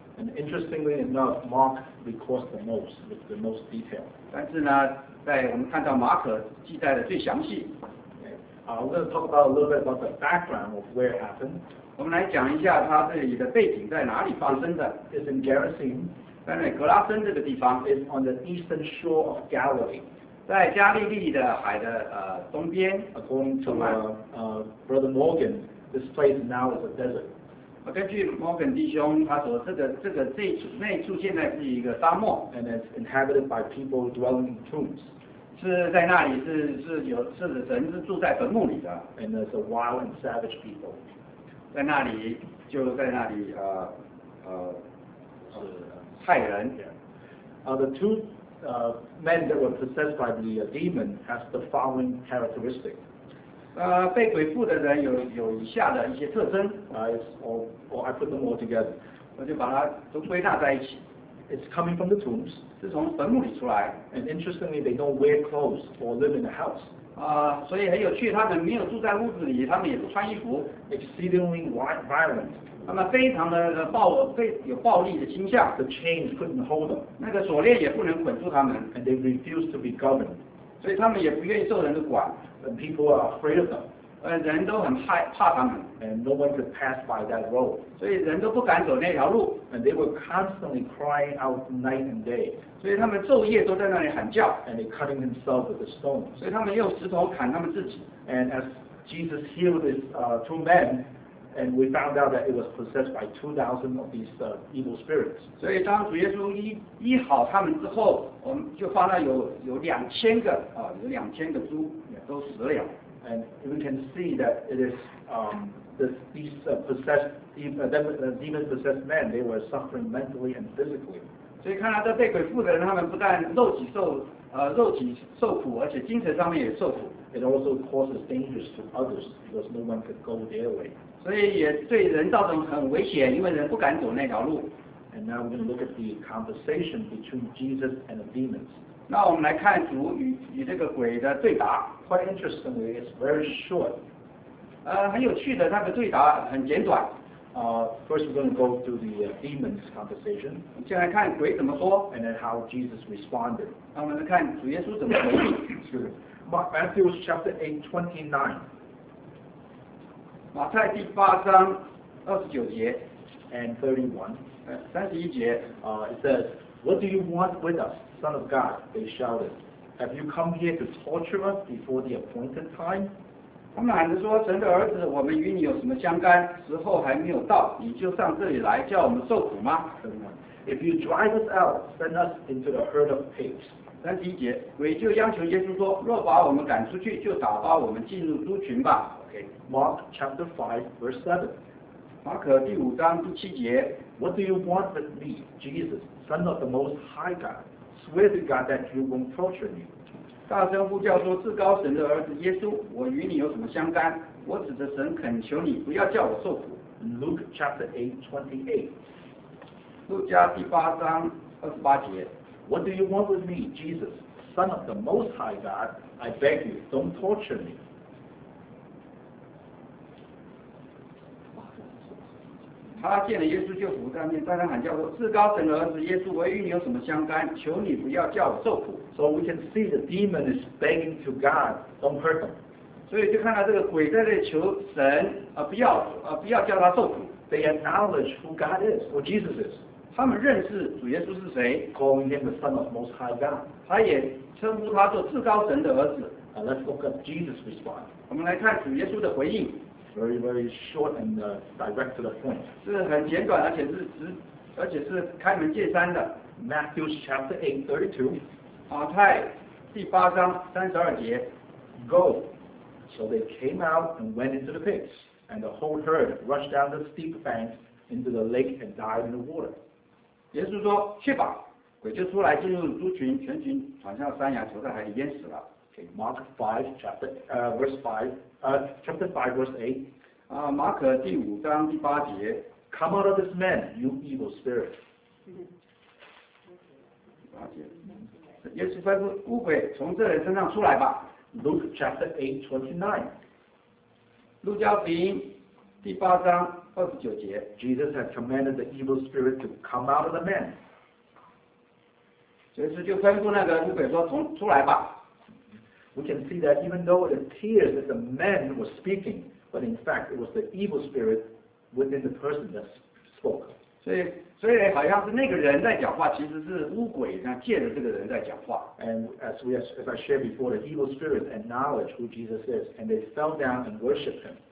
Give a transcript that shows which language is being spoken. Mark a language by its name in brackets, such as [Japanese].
[English] And interestingly enough, Mark records the most with the most detail. [Chinese] 但是呢。在我们看到马可记载的最详细。 [English] Okay. We're going to talk about a little bit about the background of where it happened. [Chinese] 我们来讲一下它这里的背景在哪里发生的。 [English] It's in Gerasene. [Chinese] 在那格拉森这个地方。 [English] It's on the eastern shore of Galilee. [Chinese] 在加利利的海的东边。 [English] According to Brother Morgan, this place now is a desert. [Chinese] 根据 Morgan 弟兄他说这一处现在是一个沙漠 [English] and it's inhabited by people dwelling in tombs [Chinese] 是在那里是人是住在坟墓里的 [English] and there's a wild and savage people [Chinese] 在那里就在那里是害人 [English] yeah. The two men that were possessed by the demon has the following characteristic [Chinese] 被鬼附的人有以下的一些特征。 [English] I put them all together. [Chinese] 我就把它都归纳在一起。 [English] It's coming from the tombs. [Chinese] 是从坟墓里出来。 [English] And interestingly, they don't wear clothes or live in a house. [Chinese] 所以很有趣，他们没有住在屋子里，他们也不穿衣服。 [English] Exceedingly violent. [Chinese] 他们非常的有暴力的倾向。 [English] The chains couldn't hold them. [Chinese] 那个锁链也不能捆住他们。 [English] And they refuse to be governed. [Chinese] 所以他们也不愿意受人的管。 [English] And people are afraid of them. [Chinese] 人都很怕他们。 [English] And no one could pass by that road. [Chinese] 所以人都不敢走那条路。 [English] And they were constantly crying out night and day. [Chinese] 所以他们昼夜都在那里喊叫。 [English] And they cutting themselves with a stone. [Chinese] 所以他们用石头砍他们自己。 [English] And as Jesus healed these two men, and we found out that it was possessed by 2,000 of these evil spirits. [Chinese] 所以当主耶稣医好他们之后，我们就发现有两千个猪。 [English] And we can see that it is demon possessed men. They were suffering mentally and physically. [Chinese] 所以看到这被鬼附的人，他们不但肉体受苦，而且精神上面也受苦。 [English] It also causes dangers to others because no one could go their way. [Chinese] 所以也对人造成很危险，因为人不敢走那条路。 [English] And now we're going to look at the conversation between Jesus and the demons. [Chinese] 那我们来看主与这个鬼的对答。 [English] Quite interestingly, it's very short. [Chinese] 很有趣的，它的对答很简短。 [English] First, we're going to go to the demon's conversation. [Chinese] 先来看鬼怎么说。 [English] And then how Jesus responded. [Chinese] 那我们来看主耶稣怎么回应。 [English] Matthew chapter 8:29. [Chinese] 马太第八章二十九节。 [English] And 31. [Chinese] 三十一节。 [English] It says, "What do you want with us?" Son of God, they shouted. Have you come here to torture us before the appointed time? [Chinese] 他们喊着说，神的儿子，我们与你有什么相干？时候还没有到，你就上这里来叫我们受苦吗？ [English] If you drive us out, send us into the herd of pigs. [Chinese] 三十一节，鬼就央求耶稣说，若把我们赶出去，就打发我们进入猪群吧。 [English] Okay. Mark chapter 5 verse 7. [Chinese] 马可第五章第七节。 [English] What do you want with me, Jesus, son of the most high God? Swear to God that you won't torture me. [Chinese] 大声呼叫说：“至高神的儿子耶稣，我与你有什么相干？我指着神恳求你，不要叫我受苦。” [English] Luke chapter 8:28. [Chinese] 路加第八章二十八节。 [English] What do you want with me, Jesus, Son of the Most High God? I beg you, don't torture me. [Chinese] 他见了耶稣就伏在那边，大声喊叫说：“至高神的儿子耶稣，我与你有什么相干？求你不要叫我受苦。” [English] So we can see the demon is begging to God, don't hurt him. [Chinese] 所以就看到这个鬼在这求神，不要叫他受苦。 [English] They acknowledge who God is, who Jesus is. [Chinese] 他们认识主耶稣是谁 [English] ，calling him the Son of Most High God. [Chinese] 他也称呼他做至高神的儿子。 [English] And let's look at Jesus' response. [Chinese] 我们来看主耶稣的回应。 [English] Very, very short and direct to the point. [Chinese] 是很简短，而且是开门见山的。 [English] Matthew chapter 8:32. [Chinese] 马太第八章三十二节。 [English] Go. So they came out and went into the pigs, and the whole herd rushed down the steep bank into the lake and died in the water. [Chinese] 耶稣说：“去吧，鬼就出来进入猪群，全群闯向山崖，投在海里淹死了。” [English] Okay. Mark 5 chapter verse 5. Chapter 5 verse 8. [Chinese] 马可第五章第八节。 [English] Come out of this man, you evil spirit. [Chinese] 八节。耶稣吩咐乌鬼从这人身上出来吧。 [English] Luke chapter 8:29. [Chinese] 路加福音第八章二十九节。 [English] Jesus had commanded the evil spirit to come out of the man. [Chinese] 耶稣就吩咐那个乌鬼说从出来吧。 [English] We can see that even though it appears that the man was speaking, but in fact it was the evil spirit within the person that spoke. [Chinese] 所以好像是那个人在讲话，其实是乌鬼那借着这个人在讲话。 [English] And as I shared before, the evil spirit acknowledged who Jesus is, and they fell down and worshipped him.